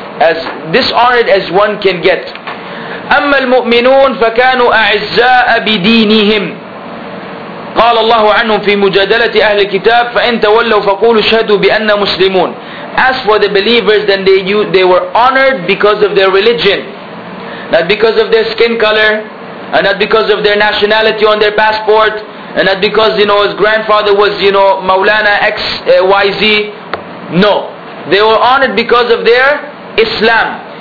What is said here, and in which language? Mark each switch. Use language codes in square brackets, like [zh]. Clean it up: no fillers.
[en] as dishonored as one can get. [ar] أما المؤمنون فكانوا أعزاء بدينهم. قال الله عنهم في مجادلة أهل الكتاب فإن تولوا فقولوا شهدوا بأن مسلمون. [en] As for the believers, then they were honored because of their religion, not because of their skin color, and not because of their nationality on their passport, and not because, you know, his grandfather was, you know, Maulana XYZ. No, they were honored because of their Islam.